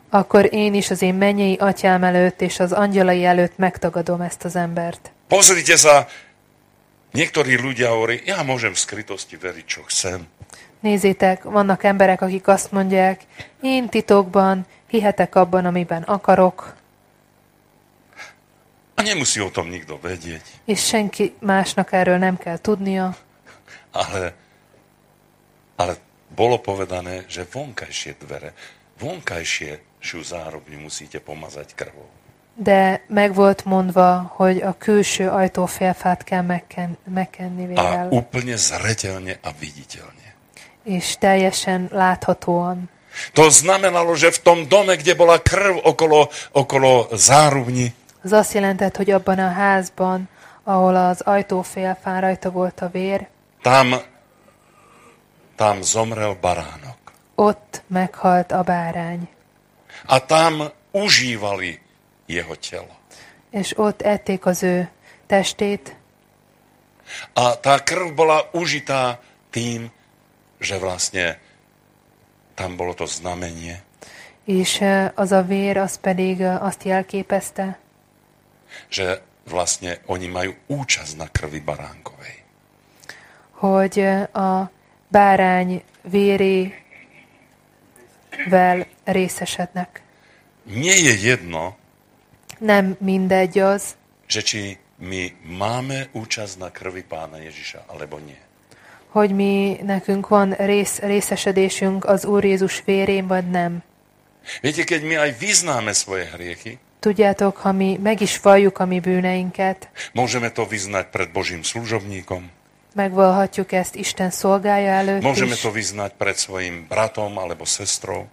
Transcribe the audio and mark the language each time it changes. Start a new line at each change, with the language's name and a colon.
Hungarian: Akkor én is az én mennyei atyám előtt és az angyalai előtt megtagadom ezt az embert.
Slovak: Pozrite sa, niektorí ľudia hovorí, ja môžem v skrytosti veriť, čo chcem.
Hungarian: Nézzétek, vannak emberek, akik azt mondják, én titokban hihetek abban, amiben akarok.
Slovak: A nemusí o tom nikto vedieť.
Hungarian: És senki másnak erről nem kell tudnia.
Slovak: Ale bolo povedané, že vonkajšie dvere, vonkajšie zárobne musíte pomazať krvou.
Hungarian: De meg volt mondva, hogy a külső ajtófélfát kell megkenni vérrel.
Slovak: A úplne zretelne a viditeľne.
Hungarian: És teljesen láthatóan.
Slovak: To znamenalo, že v tom dome, kde bola krv okolo zárubni,
Hungarian: az azt jelentett, hogy abban a házban, ahol az ajtófélfán rajta volt a vér,
Slovak: tam zomrel baránok.
Hungarian: Ott meghalt a bárány.
Slovak: A tam užívali jeho telo.
Hungarian: És ott ették az ő testét.
Slovak: A tá krv bola užitá tým, že vlastne tam bolo to znamenie.
Hungarian: És az a vér az pedig azt jelképezte,
Slovak: že vlastne oni majú účasť na krvi baránkovej.
Hungarian: Hogy a bárány vérével részesednek.
Slovak: Nie je jedno,
Hungarian: nem mindegy az,
Slovak: že či my máme účasť na krvi Pána Ježiša, alebo nie.
Hungarian: Hogy mi nekünk van részesedésünk az Úr Jézus vérén, vagy nem.
Slovak: Viete, keď my aj vyznáme svoje hriechy,
Hungarian: tudjátok, ha mi meg is valljuk a mi bűneinket,
Slovak: môžeme to vyznať pred Božím služobníkom,
Hungarian: megvallhatjuk ezt Isten szolgája előtt
Slovak: môžeme
Hungarian: is,
Slovak: to vyznať pred svojim bratom alebo sestrou,